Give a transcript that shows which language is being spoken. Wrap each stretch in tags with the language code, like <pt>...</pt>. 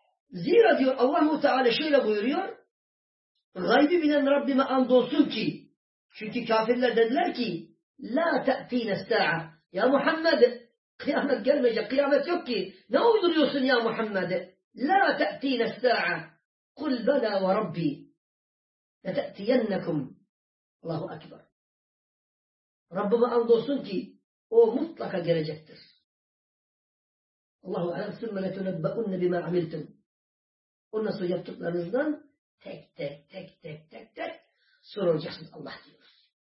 <tr>Zira diyor Allah-u Teala şöyle buyuruyor, gaybi bilen Rabbime andolsun ki, çünkü kafirler dediler ki,</tr> <ar>la te'tine sa'a.</ar> <tr>Ya Muhammed, kıyamet gelmeyecek, kıyamet yok ki. Ne uyduruyorsun ya Muhammed?</tr> <ar>La te'tine sa'a. قُلْ بَلَا وَرَبِّي لَتَأْتِيَنَّكُمْ Allahu Ekber.</ar> <tr>Rabbime and olsun ki o mutlaka gelecektir. Allahu Ekber.</tr> <ar>ثُمَّ لَتُنَبَّأُنَّ بِمَا عَمِلْتُمْ</ar> <tr>Ondan sonra yaptıklarınızdan tek tek tek tek tek tek soracaksınız Allah diyoruz.</tr>